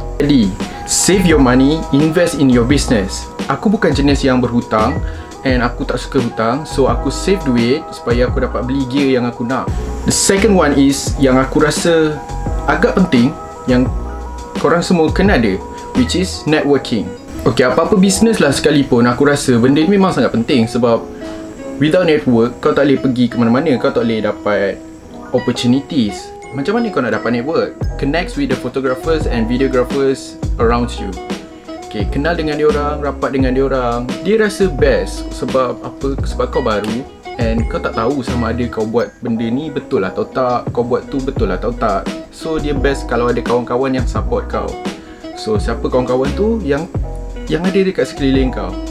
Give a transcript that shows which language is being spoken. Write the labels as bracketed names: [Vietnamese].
[English] Jadi, save your money, invest in your business. [Malay] Aku bukan jenis yang berhutang and aku tak suka hutang. So aku save duit supaya aku dapat beli gear yang aku nak. [English] The second one is [Malay] yang aku rasa agak penting, yang korang semua kena ada, [English] which is networking. [Malay] Okay, apa-apa business lah sekalipun, aku rasa benda ni memang sangat penting. Sebab [English] without network, [Malay] kau tak boleh pergi ke mana-mana. Kau tak boleh dapat opportunities. Macam mana kau nak dapat network? [English] Connect with the photographers and videographers around you. [Malay] Okay, kenal dengan diorang, rapat dengan diorang. Dia rasa best sebab apa? Sebab kau baru and kau tak tahu sama ada kau buat benda ni betul atau tak. Kau buat tu betul atau tak. So, dia best kalau ada kawan-kawan yang support kau. So, siapa kawan-kawan tu yang ada dekat sekeliling kau?